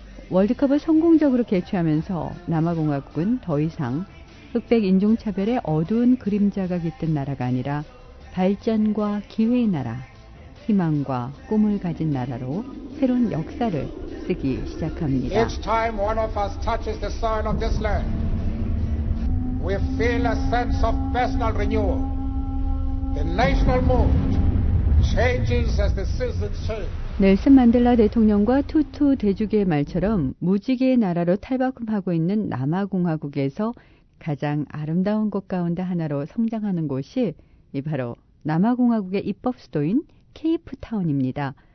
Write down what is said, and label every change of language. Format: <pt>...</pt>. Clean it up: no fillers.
<ko>월드컵을 성공적으로 개최하면서 남아공화국은 더 이상 흑백 인종차별의 어두운 그림자가 깃든 나라가 아니라 발전과 기회의 나라, 희망과 꿈을 가진 나라로 새로운 역사를 쓰기 시작합니다.</ko> <en>Each time one of us touches the soil of this land, we feel a sense of personal renewal. The national mood changes as the seasons change.</en> <ko>넬슨 만델라 대통령과 투투 대주교의 말처럼 무지개의 나라로 탈바꿈하고 있는 남아공화국에서 가장 아름다운 곳 가운데 하나로 성장하는 곳이 바로 남아공화국의 입법 수도인 케이프타운입니다.</ko>